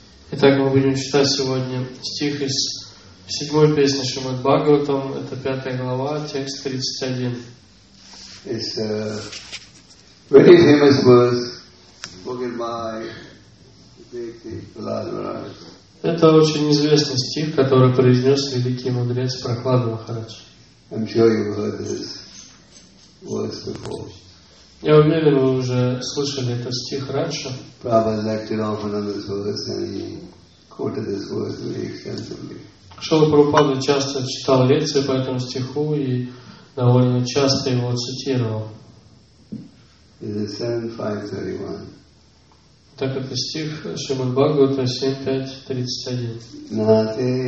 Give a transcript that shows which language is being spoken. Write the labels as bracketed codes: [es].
[ru] Читаю сегодня стих из 7 песни Шримад Бхагаватам, это 5 глава, текст 31. [en] It's a very famous verse spoken by Deity Prahlad Maharaj. [ru] Это очень известный стих, который произнес великий мудрец Прахлад Махарадж. [en] I'm sure you've heard this verse before. [ru] Я уверен, вы уже слышали этот стих раньше. [en] Prabhupada lectured often on this verse and he quoted this verse very extensively. [ru] Шрила Прабхупада часто читал лекции по этому стиху и довольно часто его цитировал. [en] It is 7531. [ru] Так это стих Шримад Бхагавата 7531. Нате